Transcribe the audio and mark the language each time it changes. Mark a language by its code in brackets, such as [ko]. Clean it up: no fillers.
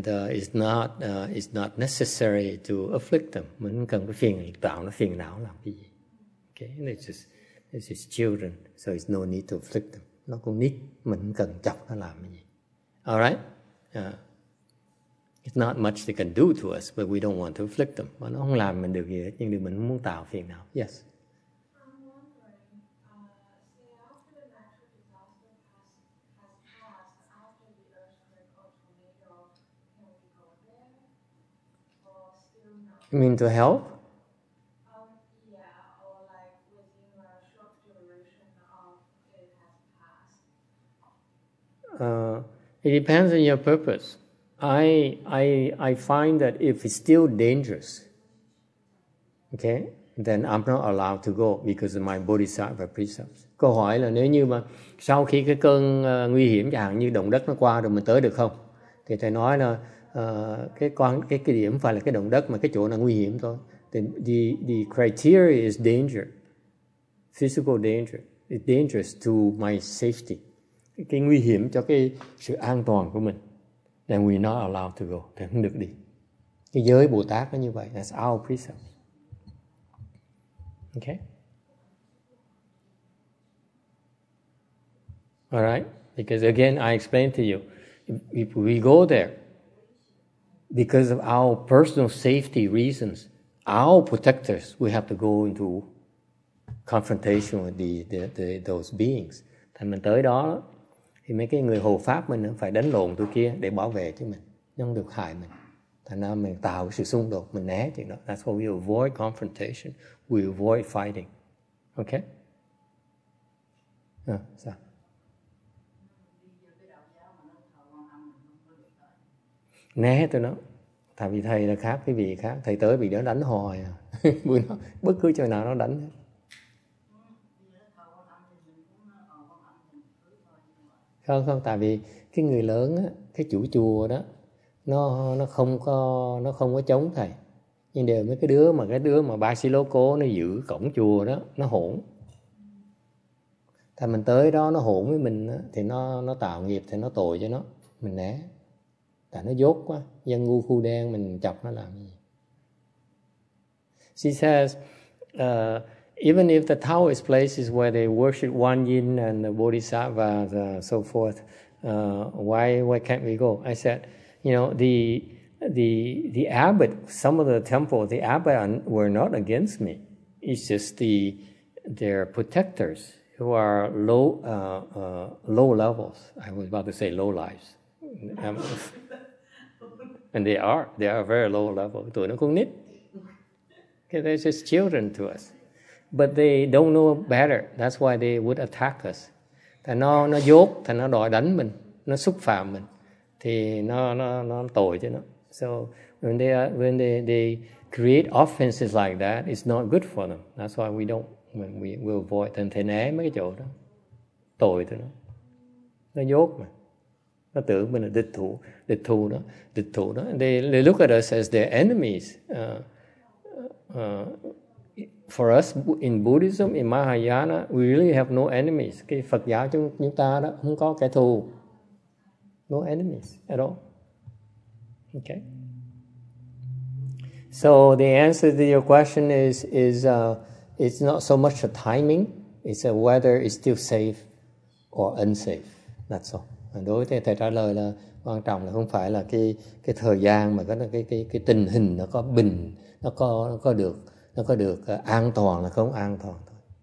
[en] It's not necessary to afflict them. [vi] Mình cần cái phiền tạo nó phiền não làm cái gì. [en] Okay. And it's his children, so it's no need to afflict them. [vi] Nó cũng nít, mình cần chọc nó làm cái gì. [en] All right? It's not much they can do to us, but we don't want to afflict them. [vi] Mà nó không làm mình được gì hết, nhưng mình không muốn tạo phiền nào. [en] Yes? I'm wondering, after the natural disaster passes, You mean to help? Yeah, or like within a short duration of it has passed. It depends on your purpose. I find that if it's still dangerous, okay, then I'm not allowed to go because of my bodhisattva precepts. [vi] Câu hỏi là nếu như mà sau khi cái cơn nguy hiểm chẳng hạn như động đất nó qua rồi mình tới được không? Thì thầy nói là cái điểm phải là cái động đất mà cái chỗ nó nguy hiểm thôi. [en] The criteria is danger, physical danger. It's dangerous to my safety. [vi] Cái nguy hiểm cho cái sự an toàn của mình. [en] Then we're not allowed to go. [vi] Thì không được đi. Cái giới Bồ Tát nó như vậy. [en] That's our precept. Okay? All right? Because again, I explained to you, if we go there because of our personal safety reasons, our protectors, we have to go into confrontation with those beings. [vi] Thì mình tới đó, thì mấy cái người hộ pháp mình phải đánh lộn tụi kia để bảo vệ chứ mình, không được hại mình. Thành ra mình tạo sự xung đột, mình né chuyện đó. [en] That's why we avoid confrontation, we avoid fighting. Okay? [vi] Sao? Né tôi nói, tại vì thầy là khác cái vị khác, thầy tới bị nó đánh hồi à. Bất cứ chỗ nào nó đánh hết. Không không, tại vì cái người lớn á, cái chủ chùa đó, nó không có chống thầy, nhưng đều mấy cái đứa mà ba si lô cô nó giữ cổng chùa đó, nó hỗn. Thầy mình tới đó nó hỗn với mình á, thì nó tạo nghiệp, thì nó tội cho nó, mình né. Tại nó dốt quá, dân ngu khu đen mình chọc nó làm gì. [en] She says, even if the Taoist places where they worship Wan Yin and the Bodhisattva and so forth, why can't we go? I said, you know, the abbot, some of the temple, the abbot were not against me. It's just their protectors who are low levels. I was about to say low lives. And they are very low level. [vi] Tụi nó con nít. [en] Okay, they're just children to us. But they don't know better. That's why they would attack us. [vi] Thì nó dốt, thì nó đòi đánh mình, nó xúc phạm mình, thì nó tội cho nó. [en] So when they create offenses like that, it's not good for them. That's why we don't. We avoid. [vi] Thì thầy né mấy cái chỗ đó, tội cho nó. Nó dốt mà. Nó tưởng mình là địch thủ đó. [en] They look at us as their enemies. For us in Buddhism, in Mahayana, we really have no enemies. [vi] Cái Phật giáo chúng ta đó không có kẻ thù. [en] No enemies at all. Okay. So the answer to your question is it's not so much a timing, it's a whether it's still safe or unsafe. That's all. [vi] Đối với thầy trả lời là quan trọng là không phải là cái thời gian mà cái tình hình nó có bình, nó có được an toàn là không an toàn thôi.